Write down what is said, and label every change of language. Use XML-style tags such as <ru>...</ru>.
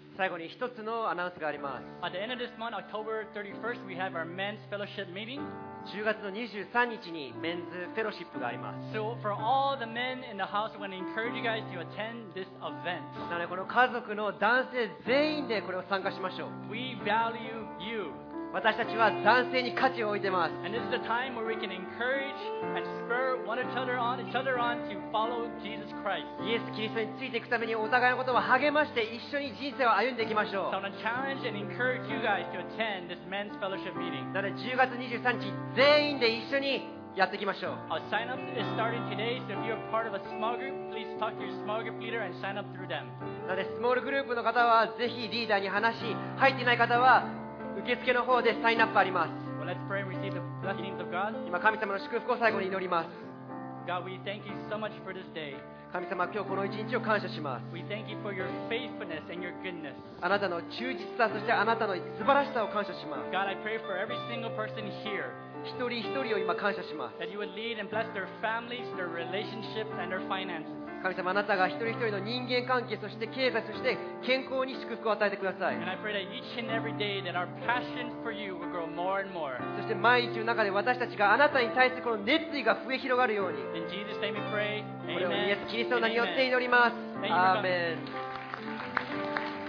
<ja>最後に一つのアナウンスがあります。</ja> <en>At the end of this month, October 31st, we have our men's fellowship meeting.</en> <ja>10月の23日にメンズフェロシップがあります。</ja> <en>So for all the men in the house, we want to encourage you guys to attend this event.</en> <ja>なのでこの家族の男性全員でこれを参加しましょう。</ja> <en>We value you.</en> <ja>私たちは男性に価値を置いてます。</ja> <en>And this is the time where we can encourage and spur one another on, to follow Jesus Christ.</en> <ja>イエス・キリストについていくためにお互いのことを励まして一緒に人生を歩んでいきましょう。</ja> <en>So I want to challenge and encourage you guys to attend this men's fellowship meeting.</en> <ja>なので10月23日全員で一緒にやっていきましょう。</ja> <en>Our sign up is starting today, so if you're part of a small group, please talk to your small group leader and sign up through them.</en> <ja>なのでスモールグループの方はぜひリーダーに話し、入っていない方は受付の方でサインアップあります。</ja> <en>Well, let's pray and receive the blessings of God.</en> <ja>今神様の祝福を最後に祈ります。</ja> <en>God, we thank you so much for this day.</en> <ja>神様、今日この一日を感謝します。</ja> <en>We thank you for your faithfulness and your goodness.</en> <ja>あなたの忠実さ、そしてあなたの素晴らしさを感謝します。</ja> <en>God, I pray for every single person here.</en> <ja>一人一人を今感謝します。</ja> <en>That you would lead and bless their families, their relationships, and their finances.</en> <ja>神様、あなたが一人一人の人間関係、そして経済、そして健康に祝福を与えてください。そして毎日の中で私たちがあなたに対するこの熱意が増え広がるように。</ja> <en>In Jesus' name we pray.</en> <ja>これをイエス・キリストの名によって祈ります。アーメン。</ja>